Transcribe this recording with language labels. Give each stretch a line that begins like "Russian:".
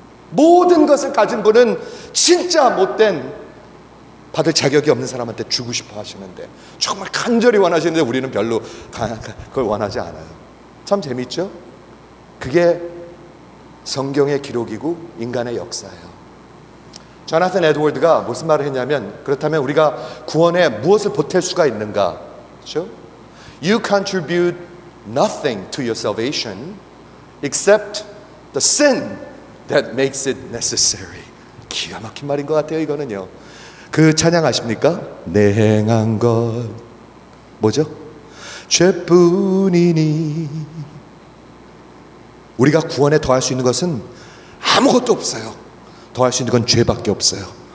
Korean: 모든 것을 가진 분은 진짜 못된 받을 자격이 없는 사람한테 주고 싶어 하시는데, 정말 간절히 원하시는데 우리는 별로 그걸 원하지 않아요. 참 재밌죠? 그게 성경의 기록이고 인간의 역사예요. 조나선 에드워드가 무슨 말을 했냐면, 그렇다면 우리가 구원에 무엇을 보탤 수가 있는가? 그렇죠?
English: You contribute nothing to your salvation except the sin that makes it necessary.
Korean: 기가 막힌 말인 것 같아요, 이거는요. 그 찬양 아십니까? 내 행한 것 뭐죠? 죄뿐이니. 우리가 구원에 더할 수 있는 것은 아무것도 없어요. 더할 수 있는 건 죄밖에 없어요.